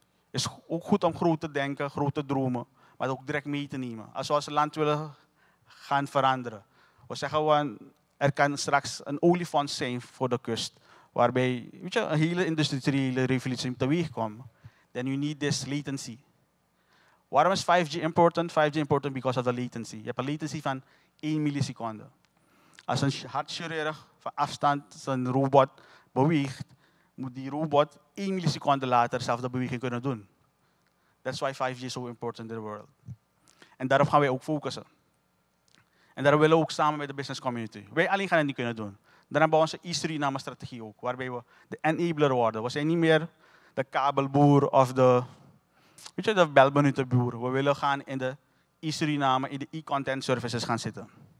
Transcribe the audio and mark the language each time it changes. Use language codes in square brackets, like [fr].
[nl] Het is ook goed om groot te denken, groot te dromen, maar ook direct mee te nemen. Als we als land willen gaan veranderen. We zeggen gewoon, er kan straks een olifant zijn voor de kust, waarbij weet je, een hele industriële revolutie teweeg komt. [en] Then you need this latency. [nl] Waarom is [en] 5G important? 5G is important because of the latency. [nl] Je hebt een latency van 1 milliseconde. Als een hartchirurg van afstand zijn robot beweegt, moet die robot 1 milliseconde later zelf de beweging kunnen doen. [en] That's why 5G is so important in the world. [nl] En daarop gaan wij ook focussen. En daarom willen we ook samen met de business community. Wij alleen gaan het niet kunnen doen. Dan hebben we onze E3-namen-strategie ook, waarbij we de enabler worden. We zijn niet meer de kabelboer of de belminutenboer. We willen gaan in de E3-name, in de e-content services gaan zitten.